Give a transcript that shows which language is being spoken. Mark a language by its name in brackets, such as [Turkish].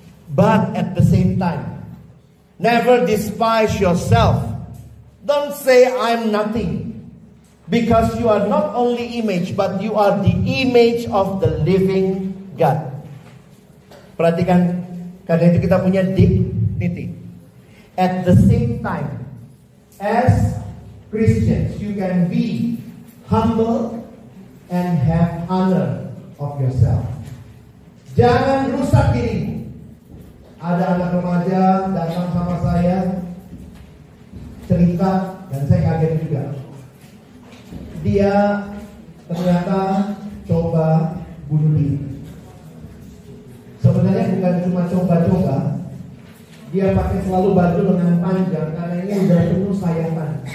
[English] But at the same time, never despise yourself. Don't say I'm nothing. Because you are not only image, but you are the image of the living God. [Indonesian] Perhatikan, karena itu kita punya dignity. [English] At the same time, as Christians, you can be humble and have honor of yourself. [Indonesian] Jangan rusak diri. Ada anak remaja datang sama saya cerita dan saya kaget juga. Dia ternyata coba bunuh diri. Sebenarnya bukan cuma coba-coba. Dia pakai selalu baju lengan panjang karena ini udah penuh sayatan.